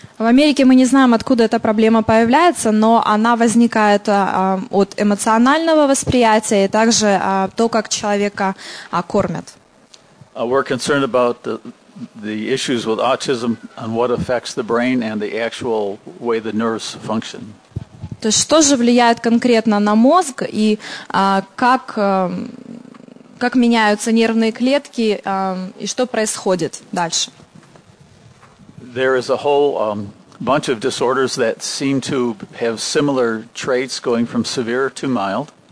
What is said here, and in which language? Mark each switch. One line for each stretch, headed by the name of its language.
Russian: В Америке мы не знаем, откуда эта проблема появляется, но она возникает от эмоционального восприятия и также то, как человека кормят.
English: We're concerned about the issues with autism and what affects the brain and the actual way the nerves function.
Russian: То есть что же влияет конкретно на мозг и как меняются нервные клетки и что происходит дальше?
English: There is a whole bunch of disorders that seem to have similar traits going from severe to mild.